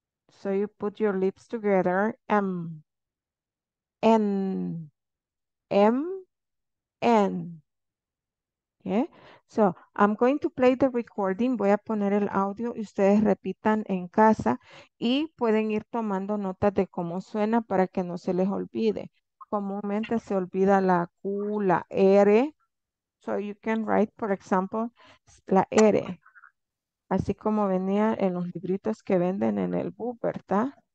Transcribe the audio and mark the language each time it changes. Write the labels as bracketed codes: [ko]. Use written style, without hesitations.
[en] So you put your lips together. M. N. M. N. Okay. So, I'm going to play the recording. [es] Voy a poner el audio y ustedes repitan en casa y pueden ir tomando notas de cómo suena para que no se les olvide. Comúnmente se olvida la Q, la R. [en] So, you can write, for example, [es] la R. Así como venía en los libritos que venden en el book, ¿verdad?